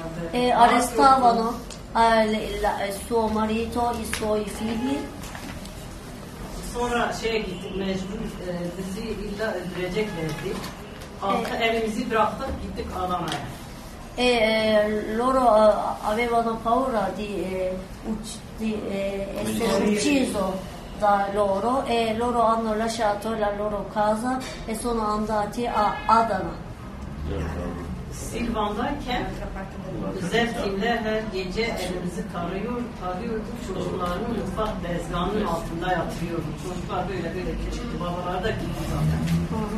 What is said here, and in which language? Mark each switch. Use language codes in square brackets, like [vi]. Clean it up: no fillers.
[it] E arrestavano suo marito, i suoi figli. [tr] Sonra şeye gittik, mecbur bizi illa öldüreceklerdi. altı evimizi bıraktık gittik Adana'ya. [it] Loro avevano paura di essere ucciso da loro e loro hanno lasciato la loro casa e sono andati a Adana. [tr] Silvan'dayken Zeftin'de her gece evimizi tarıyordu, çocuklarını mutfak bezganının altında yatırıyordu. Çocuklar böyle böyle geçirdi, babalar da gitti zaten.